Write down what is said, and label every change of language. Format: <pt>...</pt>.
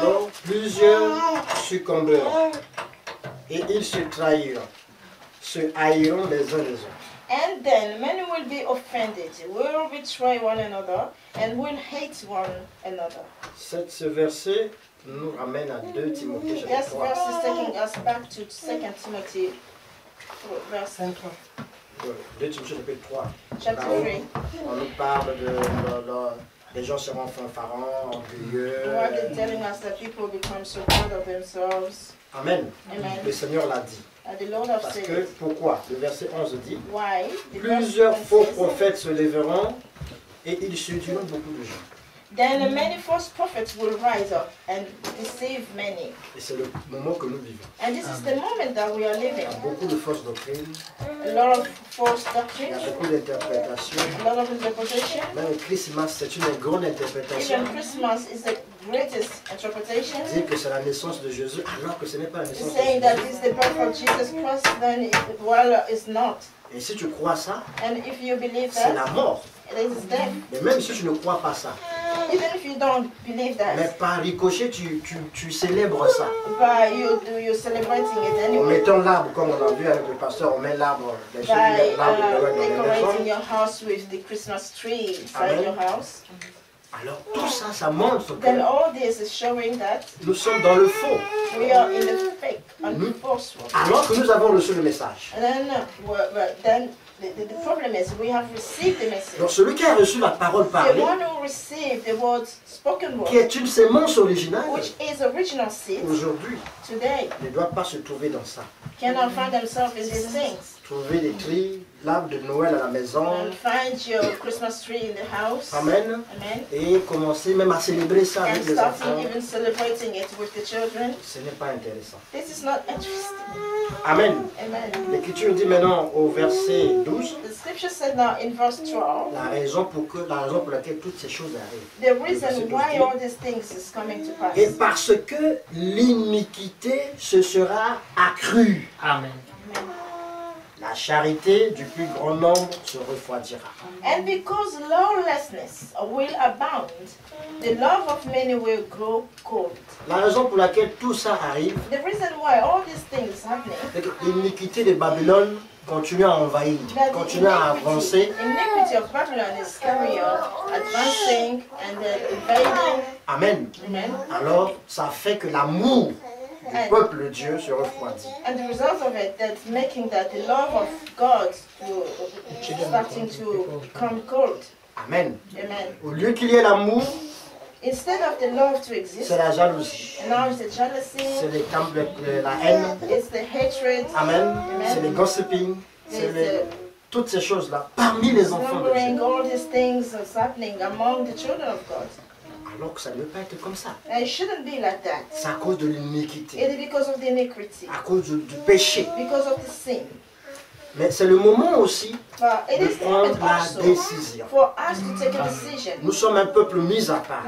<fr>Alors, plusieurs succombèrent et ils se trahirent, se haïront les uns les autres.</fr> <en>And then many will be offended, will betray one another, and will hate one another.</en> <fr>Ce verset nous ramène à 2 Timothée, chapitre 3.</fr> <en>This verse is taking us back to 2 Timothy, verse</en> <fr>3. 2 Timothée, chapitre 3.</fr> <en>Chapter 3.</en> <fr>On nous parle de les gens seront fanfarons, orgueilleux.</fr> <en>You are telling us that people become so proud of themselves.</en> <fr>Amen.</fr> <en>Amen.</en> <fr>Le Seigneur l'a dit.</fr> <en>The Lord has</en> <fr>parce que, pourquoi? Le verset 11 dit,</fr> <en>why?</en> <fr>Plusieurs faux prophètes se lèveront et ils séduiront beaucoup de gens.</fr> <en>Then many false prophets will rise up and deceive many.</en> <fr>Et c'est le moment que nous vivons.</fr> <en>And this is the moment that we are living.</en> <fr>Il y a beaucoup de fausses doctrines.</fr> <en>A lot of false doctrines.</en> <fr>Il y a beaucoup d'interprétations.</fr> <en>A lot of interpretations.</en> <fr>Même Christmas, c'est une grande interprétation.</fr> <en>Even Christmas is the greatest interpretation.</en> <fr>Dire que c'est la naissance de Jésus, alors que ce n'est pas la naissance de Jésus.</fr> <en>Saying that this is the birth of Jesus Christ, then it, well, it's not.</en> <fr>Et si tu crois ça,</fr> <en>and if you believe</en> <fr>c'est la mort.</fr> <en>Death.</en> <fr>Mais même si tu ne crois pas ça,</fr> <en>even if you don't believe that,</en> <fr>mais par ricochet tu célèbres ça.</fr> <en>By you celebrating it anyway.</en> <fr>En mettant l'arbre comme on a vu avec le pasteur, on met l'arbre.</fr> <en>Decorating your house with the Christmas tree inside your house.</en> <fr>Alors tout ça, ça montre que</fr> <en>then all this is showing that</en> <fr>nous sommes dans le faux.</fr> <en>We are in the fake and the false world.</en> <fr>Alors que nous avons reçu le message.</fr> <en>And then the problem is we have received the message.</en> <fr>Donc celui qui a reçu la parole parlée,</fr> <en>the one who received the word spoken word,</en> <fr>qui est une semence originale,</fr> <en>which is original seed,</en> <fr>aujourd'hui,</fr> <en>today,</en> <fr>ne doit pas se trouver dans ça.</fr> <en>Cannot find themselves in these things.</en> <fr>Trouver des tris, l'arbre de Noël à la maison.</fr> <en>And find your Christmas tree in the house.</en> <fr>Amen.</fr> <en>Amen.</en> <fr>Et commencer même à célébrer ça</fr> <en>and</en> <fr>avec les enfants.</fr> <en>And starting even celebrating it with the children.</en> <fr>Ce n'est pas intéressant.</fr> <en>This is not interesting.</en> <fr>Amen.</fr> <en>Amen.</en> <fr>L'Écriture dit maintenant au verset 12.</fr> <en>The Scripture said now in verse 12.</en> <fr>La raison pour laquelle toutes ces choses arrivent.</fr> <en>The reason why all these things is coming to pass.</en> <fr>Et parce que l'iniquité se sera accrue.</fr> <en>Amen.</en> <fr>Amen. La charité du plus grand nombre se refroidira.</fr> <en>And because lawlessness will abound, the love of many will grow cold.</en> <fr>La raison pour laquelle tout ça arrive,</fr> <en>the reason why all these things happening,</en> <fr>c'est que l'iniquité de Babylone continue à envahir, continue à avancer.</fr> <en>Iniquity of Babylon is carrying on, advancing and invading.</en> <fr>Amen.</fr> <en>Amen.</en> <fr>Alors, ça fait que l'amour du peuple de Dieu se refroidit.</fr> <en>And the result of it that making that the love of God will starting to become cold.</en> <fr>Amen.</fr> <en>Amen.</en> <fr>Au lieu qu'il y ait l'amour,</fr> <en>instead of the love to exist,</en> <fr>c'est la jalousie.</fr> <en>And now it's the jealousy.</en> <fr>C'est les temples de la haine.</fr> <en>It's the hatred.</en> <fr>Amen.</fr> <en>Amen.</en> <fr>C'est les gossiping. C'est les toutes ces choses là parmi les enfants de Dieu.</fr> <en>All these things are happening among the children of God.</en> <fr>Alors que ça ne peut pas être comme ça.</fr> <en>It shouldn't be like that.</en> <fr>C'est à cause de l'iniquité.</fr> <en>It is because of the iniquity.</en> <fr>À cause du péché.</fr> <en>Because of the sin.</en> <fr>Mais c'est le moment aussi</fr> <en>it is</en> <fr>de prendre la décision.</fr> <en>For us to take a decision.</en> <fr>Nous sommes un peuple mis à part.</fr>